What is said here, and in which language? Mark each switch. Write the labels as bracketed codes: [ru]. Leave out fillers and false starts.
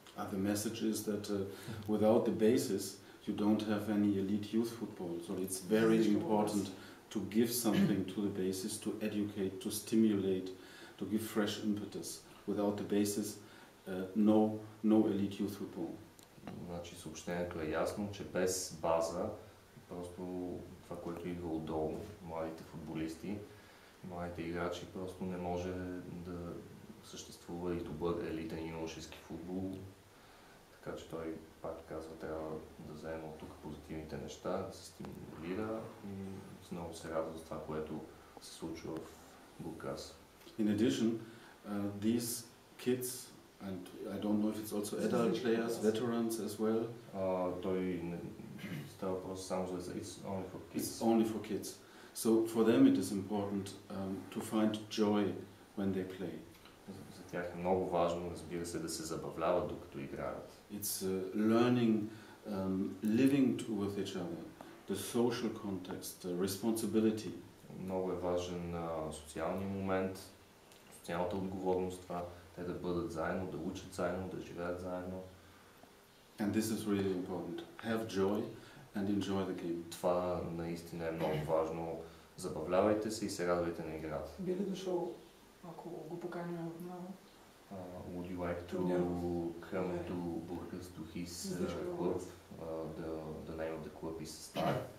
[en] The message is that without the basis, you don't have any elite youth football. So it's very important to give something to the basis, to educate, to stimulate, to give fresh impetus. Without the basis, no elite youth football. [bg] Значи съобщението е ясно, че без база, просто това, което идва отдолу, младите футболисти, младите играчи, просто не може да съществува и добър елитен юношески футбол. Така че той пак казва, трябва да вземе от тук позитивните неща, да се стимулира и много се радва за това, което се случва в Бургас. [en] In addition, these kids, and I don't know if it's also adult players, veterans as well. [bg] Той става просто само за деца. [en] It's only for kids. It's only for kids. So for them it is important to find joy when they play. [bg] За тях е много важно, разбира се, да се забавляват докато играят. [en] It's learning, living with each other, the social context, the responsibility. [bg] Много е важен социалния момент, социалната отговорност, това те да бъдат заедно, да учат заедно, да живеят заедно. [en] And this is really important. Have joy and enjoy the game. [bg] Това наистина е много важно. Забавлявайте се и се радвайте на играта. Би ли дошъл, ако го поканя на... [en] Would you like to come to Bургас, to his club, the name of the club is Star.